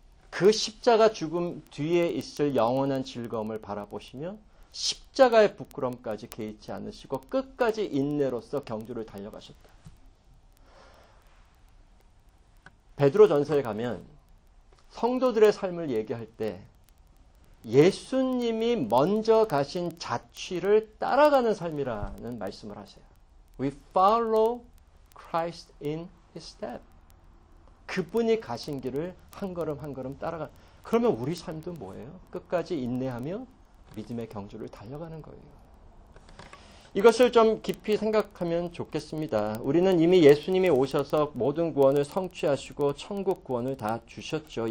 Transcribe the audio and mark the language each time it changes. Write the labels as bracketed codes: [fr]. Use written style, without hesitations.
[ko] 그 십자가 죽음 뒤에 있을 영원한 즐거움을 바라보시며 십자가의 부끄럼까지 개의치 않으시고 끝까지 인내로서 경주를 달려가셨다. 베드로 전서에 가면 성도들의 삶을 얘기할 때 예수님이 먼저 가신 자취를 따라가는 삶이라는 말씀을 하세요. [en] We follow Christ in his step. [ko] 그분이 가신 길을 한 걸음 한 걸음 따라가. 그러면 우리 삶도 뭐예요? 끝까지 인내하며 믿음의 경주를 달려가는 거예요. 이것을 좀 깊이 생각하면 좋겠습니다. 우리는 이미 예수님이 오셔서 모든 구원을 성취하시고 천국 구원을 다 주셨죠.